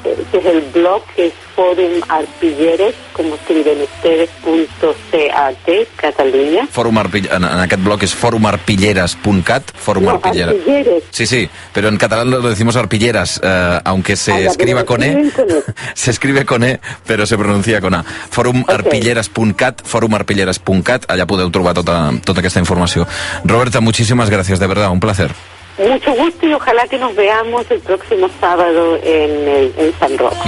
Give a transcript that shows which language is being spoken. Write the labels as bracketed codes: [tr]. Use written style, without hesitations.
[es] Que es el blog, que es Forum Arpilleres, como escriben ustedes, .cat, Cataluña. [ca] Forum Arpilleres, en aquest blog es forumarpilleras.cat, Forum [es] no, Arpilleres. Arpilleres. Sí, sí, pero en catalán lo decimos arpilleras, aunque se escriba con E, se escribe con E, pero se pronuncia con A. Forum okay. [ca] Arpilleres.cat, forumarpilleres.cat, allà podeu trobar tota aquesta informació. [es] Roberta, muchísimas gracias, de verdad, un placer. Mucho gusto y ojalá que nos veamos el próximo sábado en San Roque.